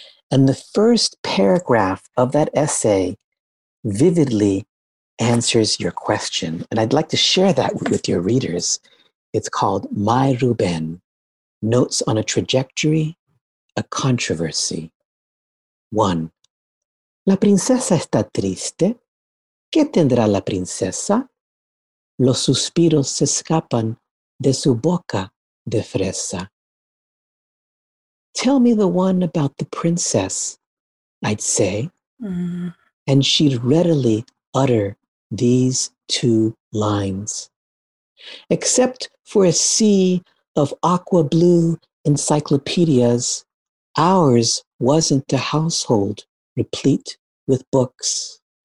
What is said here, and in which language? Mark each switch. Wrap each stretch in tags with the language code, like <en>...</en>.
<en>And the first paragraph of that essay vividly answers your question. And I'd like to share that with your readers. It's called My Rubén, Notes on a Trajectory, a Controversy. 1.</en> <es>La princesa está triste. ¿Qué tendrá la princesa? los suspiros se escapan de su boca de fresa.</es> <en>Tell me the one about the princess, I'd say, and she'd readily utter these two lines. Except for a sea of aqua blue encyclopedias, ours wasn't a household replete with books.</en>